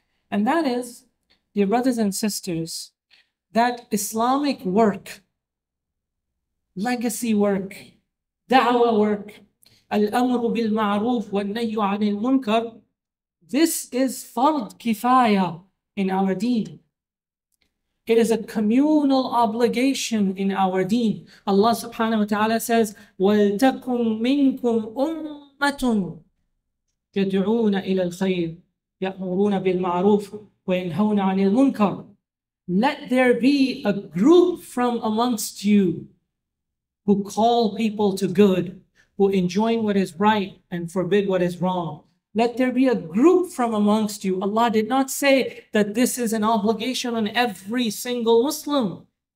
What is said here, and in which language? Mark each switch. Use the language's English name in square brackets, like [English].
[English] And that is, dear brothers and sisters, that Islamic work, legacy work, da'wah work, [Arabic] al-amru bil-ma'roof wal-nahyu 'anil munkar, [English] this is fard kifaya in our deen. It is a communal obligation in our deen. Allah subhanahu wa ta'ala says, [Arabic] وَلْتَكُمْ مِنْكُمْ أُمَّةٌ يَدْعُونَ إِلَى الْخَيْرِ يَأْمُرُونَ بِالْمَعْرُوفِ وَيَنْهَوْنَ عَنِ الْمُنْكَرِ. [English] Let there be a group from amongst you who call people to good, who enjoin what is right and forbid what is wrong. Let there be a group from amongst you. Allah did not say that this is an obligation on every single Muslim.